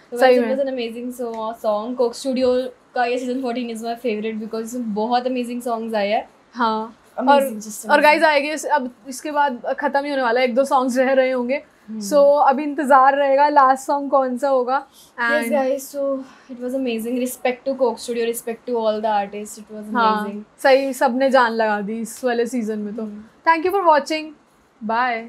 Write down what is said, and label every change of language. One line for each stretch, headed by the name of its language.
Hindi: सही में
English: It's an amazing song.
Hindi: Coke studio का ये season 14
English: is my favourite because
Hindi: इसमें बहुत अमेजिंग सॉन्ग्स आए हैं. हां और गाइस आएंगे अब इसके बाद खत्म ही होने वाला है एक दो सॉन्ग्स रह रहे होंगे. So, अभी इंतजार रहेगा लास्ट सॉन्ग कौन सा होगा.
English: Yes guys, so it was amazing. Respect to Coke Studio, respect to all the artists. It was amazing.
Hindi: सही सबने जान लगा दी इस वाले सीजन में तो.
English: Thank you for watching. Bye.